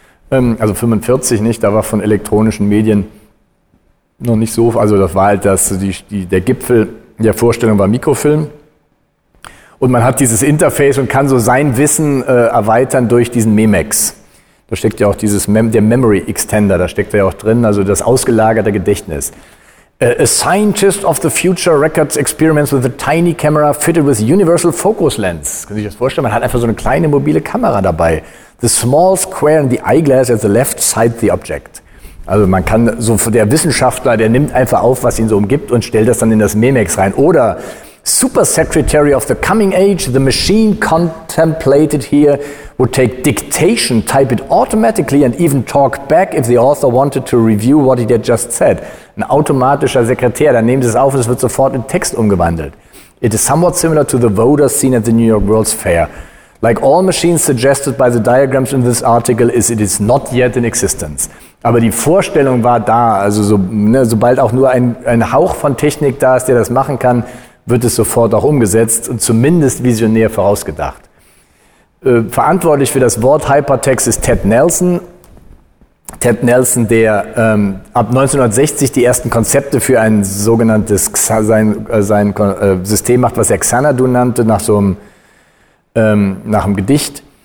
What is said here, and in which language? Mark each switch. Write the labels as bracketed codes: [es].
[de] Also 45 nicht, da war von elektronischen Medien noch nicht so, also das war halt das, der Gipfel der Vorstellung war Mikrofilm. Und man hat dieses Interface und kann so sein Wissen erweitern durch diesen Memex. Da steckt ja auch dieses der Memory Extender, da steckt er ja auch drin, also das ausgelagerte Gedächtnis. [en] A scientist of the future records experiments with a tiny camera fitted with universal focus lens. [de] Können Sie sich das vorstellen? Man hat einfach so eine kleine mobile Kamera dabei. [en] The small square in the eyeglass at the left side the object. [de] Also man kann, so der Wissenschaftler, der nimmt einfach auf, was ihn so umgibt und stellt das dann in das Memex rein. [en] Oder Super Secretary of the coming age, the machine contemplated here would take dictation, type it automatically and even talk back if the author wanted to review what he had just said. [de] Ein automatischer Sekretär, dann nehmen Sie es auf und es wird sofort in Text umgewandelt. [en] It is somewhat similar to the voter seen at the New York World's Fair. Like all machines suggested by the diagrams in this article, it is not yet in existence. [de] Aber die Vorstellung war da, also so, ne, sobald auch nur ein Hauch von Technik da ist, der das machen kann, wird es sofort auch umgesetzt und zumindest visionär vorausgedacht. Verantwortlich für das Wort Hypertext ist Ted Nelson. Ted Nelson, der ab 1960 die ersten Konzepte für ein sogenanntes System macht, was er Xanadu nannte, nach so einem nach einem Gedicht.